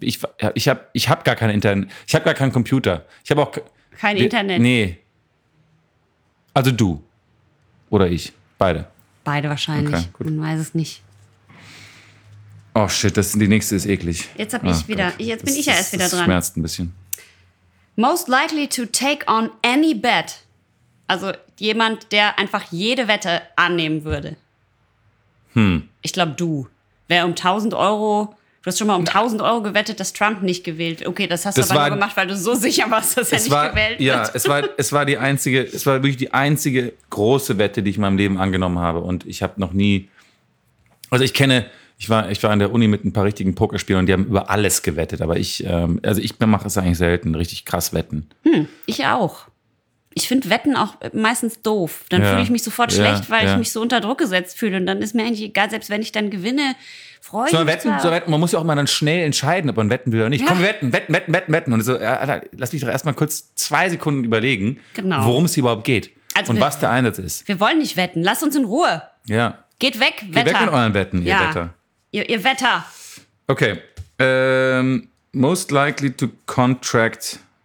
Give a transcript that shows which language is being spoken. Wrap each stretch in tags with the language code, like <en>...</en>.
<de>Ich hab gar kein Internet. Ich habe gar keinen Computer. Ich habe auch kein Internet. Nee. Also du. Oder ich. Beide. Beide wahrscheinlich. Okay, gut. Man weiß es nicht. Oh shit, die nächste ist eklig. Jetzt hab ich wieder. Gott. Jetzt bin ich ja erst wieder dran. Das schmerzt ein bisschen.</de> <en>Most likely to take on any bet.</en> <de>Also jemand, der einfach jede Wette annehmen würde. Ich glaube, du. Wer um 1000 Euro, du hast schon mal um 1000 Euro gewettet, dass Trump nicht gewählt wird. Okay, das hast du aber nur gemacht, weil du so sicher warst, dass er nicht gewählt wird. Ja, es war wirklich die einzige große Wette, die ich in meinem Leben angenommen habe. Und ich habe noch nie, also ich war an der Uni mit ein paar richtigen Pokerspielern und die haben über alles gewettet. Aber ich mache es eigentlich selten, richtig krass wetten. Ich auch. Ich finde Wetten auch meistens doof. Dann fühle ich mich sofort schlecht, weil ich mich so unter Druck gesetzt fühle. Und dann ist mir eigentlich egal, selbst wenn ich dann gewinne, freue ich mich. Man muss ja auch mal dann schnell entscheiden, ob man wetten will oder nicht. Ja. Komm, wetten. Und so, Alter, lass mich doch erstmal kurz 2 Sekunden überlegen, worum es überhaupt geht was der Einsatz ist. Wir wollen nicht wetten. Lass uns in Ruhe. Ja. Geht weg, Wetter. Geht weg mit euren Wetten, ihr Wetter. Ihr Wetter. Okay.</de> <en>Most likely to contract...</en>